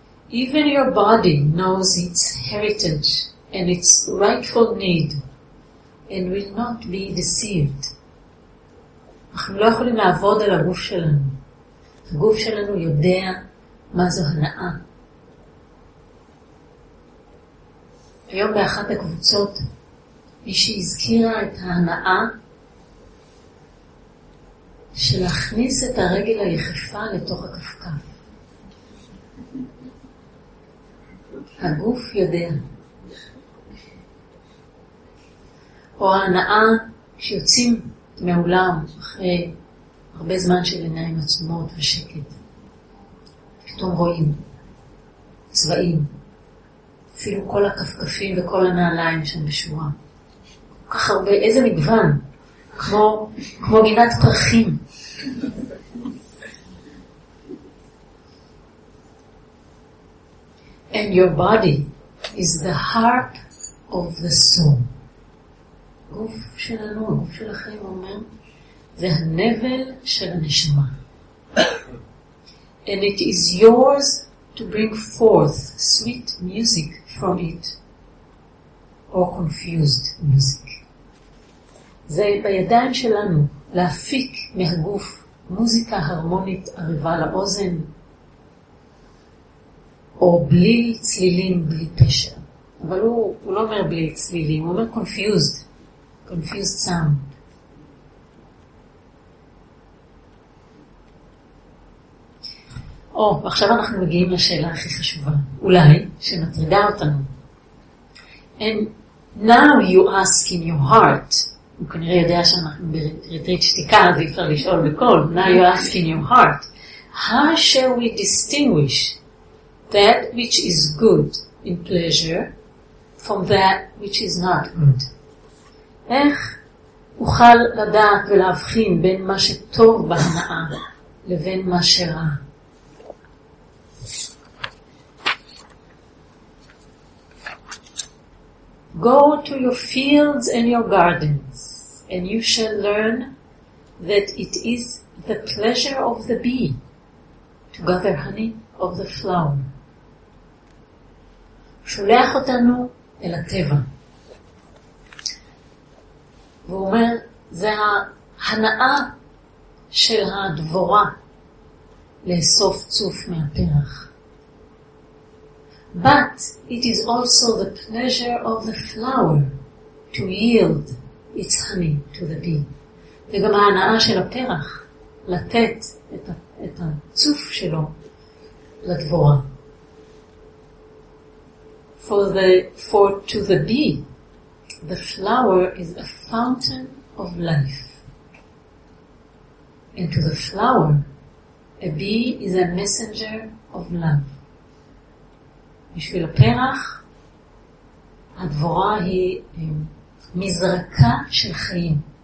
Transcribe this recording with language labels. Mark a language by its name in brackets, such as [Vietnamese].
[English] Even your body knows its heritage and its rightful need and will not be deceived. [Hebrew] אנחנו לא יכולים לעבוד על הגוף שלנו. הגוף שלנו יודע מה זו הנאה. היום באחת הקבוצות מי שהזכירה את ההנאה של להכניס את הרגל היחפה לתוך הקפקף. הגוף יודע. או ההנאה שיוצאים מהאולם אחרי הרבה זמן של עיניים עצומות ושקט. פתאום רואים צבעים, אפילו כל הקפקפים וכל הנעליים שם בשורה. כל כך הרבה, איזה מגוון, כמו גינת פרחים. [English] And your body is the harp of the soul. [Hebrew] גוף שלנו, הגוף שלכם אומר, זה הנבל של הנשמה. [English] And it is yours to bring forth sweet music from it, or confused music. [Hebrew] זה בידיים שלנו להפיק מהגוף מוזיקה הרמונית עריבה לאוזן, או בלי צלילים, בלי פשר. אבל הוא לא אומר בלי צלילים, הוא אומר confused. [English] Confused sound. [Hebrew] עכשיו אנחנו מגיעים לשאלה הכי חשובה, אולי, שמטרידה אותנו. [English] And now you ask in your heart, [Hebrew] הוא כנראה יודע שאנחנו ברטריט שתיקה, אז אי אפשר לשאול בכל, [English] now you ask in your heart, how shall we distinguish that which is good in pleasure from that which is not good. [Hebrew] איך אוכל לדעת ולהבחין בין מה שטוב בהנאה לבין מה שרע? [English] Go to your fields and your gardens and you shall learn that it is the pleasure of the bee to gather honey of the flower. [Hebrew] שולח אותנו אל הטבע. והוא אומר, זה ההנאה של הדבורה לאסוף צוף מהפרח. [English] But it is also the pleasure of the flower to yield its honey to the bee. [Hebrew] וגם ההנאה של הפרח לתת את הצוף שלו לדבורה. [English] For to the bee, the flower is a fountain of life. And to the flower, a bee is a messenger of love. [Hebrew] בשביל הפרח, הדבורה היא מזרקה של חיים.